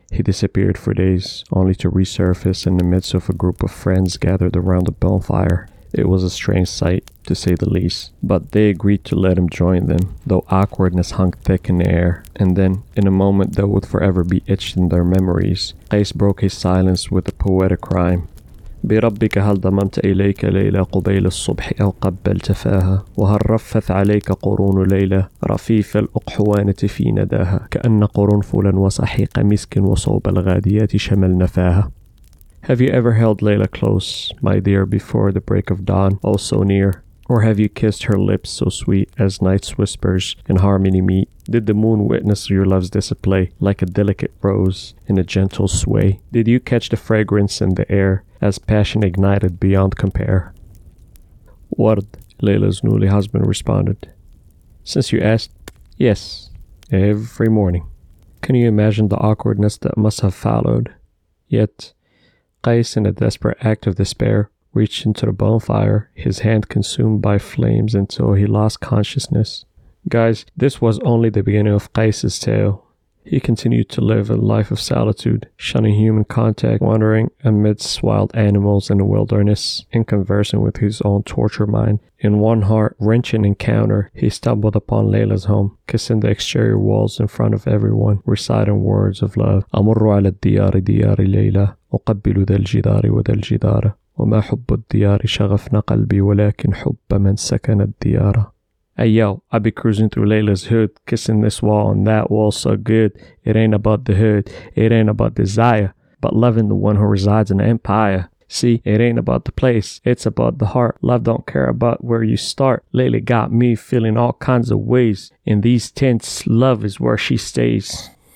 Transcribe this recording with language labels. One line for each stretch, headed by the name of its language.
English: He disappeared for days, only to resurface in the midst of a group of friends gathered around a bonfire. It was a strange sight, to say the least, but they agreed to let him join them, though awkwardness hung thick in the air. And then, in a moment that would forever be etched in their memories, Qais broke his silence with a poetic rhyme.
Arabic: بربك هل ضممت إليك ليلى قبيل الصبح أو قبلت فاها وهل رفث عليك قرون ليلى رفيف الأقحوانة في نداها كأن قرنفلا وصحيق مسك وصوب الغاديات شمل نفاها.
English: Have you ever held Layla close, my dear, before the break of dawn, oh so near? Or have you kissed her lips so sweet as night's whispers in harmony meet? Did the moon witness your love's display like a delicate rose in a gentle sway? Did you catch the fragrance in the air as passion ignited beyond compare? Ward, Layla's newly husband, responded. Since you asked, yes, every morning. Can you imagine the awkwardness that must have followed? Yet, Qais, in a desperate act of despair, reached into the bonfire, his hand consumed by flames until he lost consciousness. Guys, this was only the beginning of Qais's tale. He continued to live a life of solitude, shunning human contact, wandering amidst wild animals in the wilderness, and conversing with his own torture mind. In one heart-wrenching encounter, he stumbled upon Layla's home, kissing the exterior walls in front of everyone, reciting words of love.
Arabic: أمر على الديار ديار ليلى أقبل ذا الجدار وذا الجدار وما حب الديار شغفنا قلبي ولكن حب من سكن الديار.
English: Hey yo, I be cruising through Layla's hood, kissing this wall and that wall so good. It ain't about the hood, it ain't about desire, but loving the one who resides in the empire. See, it ain't about the place, it's about the heart. Love don't care about where you start. Layla got me feeling all kinds of ways. In these tents, love is where she stays.